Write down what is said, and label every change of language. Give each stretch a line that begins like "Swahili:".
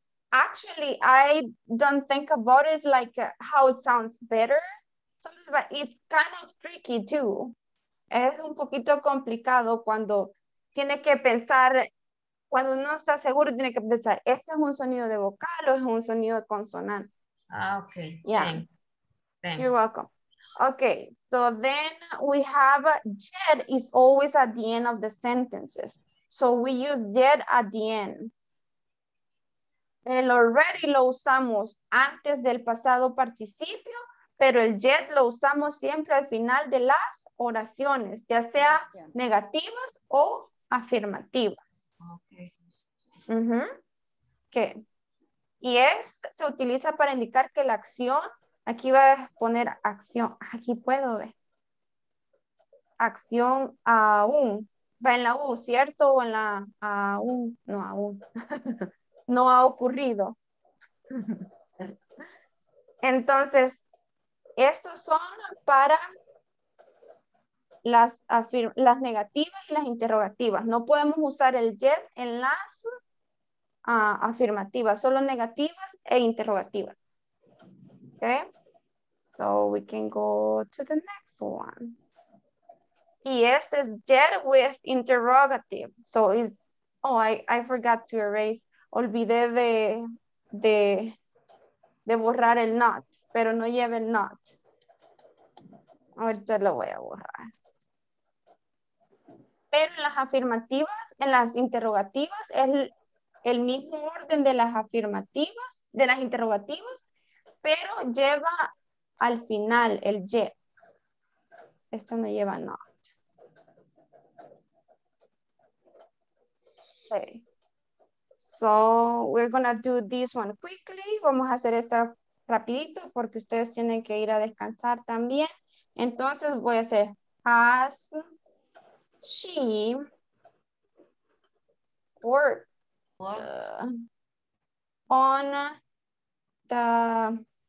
English: Actually, I don't think about it like how it sounds better. Sometimes, but it's kind of tricky too.
Spanish: Es un poquito complicado cuando tiene que pensar, cuando no está seguro, tiene que pensar, ¿este es un sonido de vocal o es un sonido de consonante?
English: Ah, okay. Yeah. Thanks. You're welcome. Okay, so then we have yet is always at the end of the sentences. So we use yet at the end.
Spanish: El already lo usamos antes del pasado participio, pero el yet lo usamos siempre al final de las oraciones, ya sea negativas o afirmativas.
English: Okay. Okay.
Spanish: Y es, se utiliza para indicar que la acción. Aquí va a poner acción. Aquí puedo ver. Acción aún. Va en la U, ¿cierto? O en la aún. No, aún. No ha ocurrido. Entonces, estos son para las negativas y las interrogativas. No podemos usar el yet en las afirmativas. Solo negativas e interrogativas. ¿Ok?
English: So we can go to the next one. Yes, it's yet with interrogative. So it's, oh, I forgot to erase.
Spanish: Olvidé de borrar el not, pero no lleva el not. Ahorita lo voy a borrar. Pero en las afirmativas, en las interrogativas, es el mismo orden de las afirmativas, de las interrogativas, pero lleva al final, el yet. Esto no lleva not.
English: Okay. So, we're gonna do this one quickly.
Spanish: Vamos a hacer esta rapidito porque ustedes tienen que ir a descansar también. Entonces voy a hacer,
English: has she worked on the...